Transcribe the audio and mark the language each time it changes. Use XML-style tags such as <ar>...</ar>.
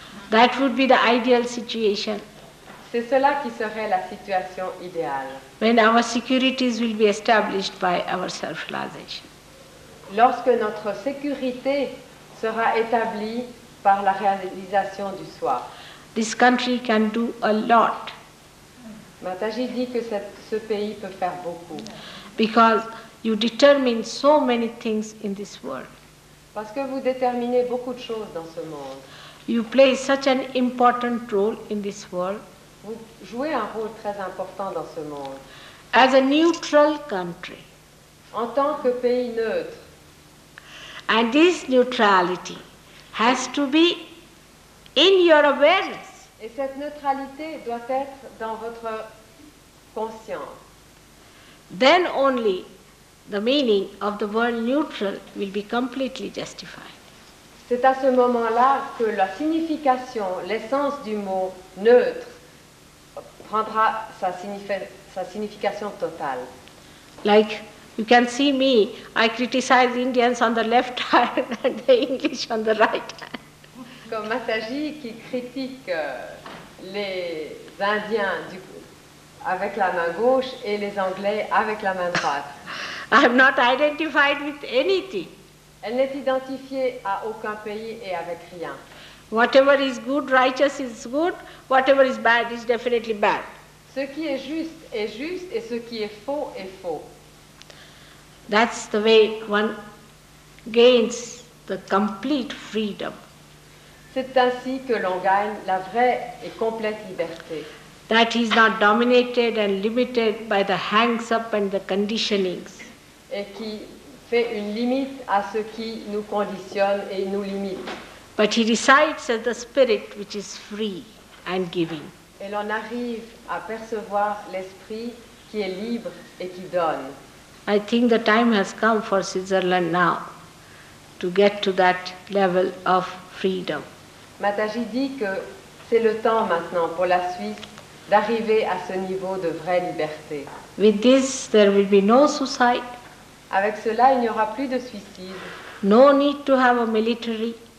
<en>That would be the ideal situation.</en> <fr>C'est cela qui serait la situation idéale.</fr> <en>When our securities will be established by our self-realization.</en> <fr>Lorsque notre sécurité sera établie par la réalisation du soi.</fr> <en>This country can do a lot.</en> <fr>Mataji dit que ce pays peut faire beaucoup.</fr> <en>Because you determine so many things in this world.</en> <fr>Parce que vous déterminez beaucoup de choses dans ce monde.</fr> <en>You play such an important role in this world.</en> <fr>Vous jouez un rôle très important dans ce monde.</fr> <en>As a neutral country.</en> <fr>En tant que pays neutre.</fr> <en>And this neutrality has to be in your awareness.</en> <fr>Et cette neutralité doit être dans votre conscience.</fr> <en>then only the meaning of the word neutral will be completely justified.</en> <fr>C'est à ce moment-là que la signification, l'essence du mot neutre, prendra sa signification totale.</fr> <en>Like, you can see me, I criticize Indians on the left hand and the English on the right hand.</en> <fr>Comme Mataji qui critique les Indiens avec la main gauche et les Anglais avec la main droite.</fr> <en>I'm not identified with anything.</en> <fr>Elle n'est identifiée à aucun pays et avec rien.</fr> <en>Whatever is good, righteous is good. Whatever is bad is definitely bad.</en> <fr>Ce qui est juste est juste et ce qui est faux est faux.</fr> <en>That's the way one gains the complete freedom.</en> <fr>C'est ainsi que l'on gagne la vraie et complète liberté.</fr> <en>That is not dominated and limited by the hangs-up and the conditionings.</en> <fr>Et qui fait une limite à ce qui nous conditionne et nous limite.</fr> <en>But he recites as the spirit which is free and giving.</en> <fr>Et l'on arrive à percevoir l'esprit qui est libre et qui donne.</fr> <en>I think the time has come for Switzerland now to get to that level of freedom.</en> <fr>Mataji dit que c'est le temps maintenant pour la Suisse d'arriver à ce niveau de vraie liberté.</fr> <en>With this, there will be no suicide.</en> <fr>Avec cela, il n'y aura plus de suicide.</fr> <en>No need to have a military.</en>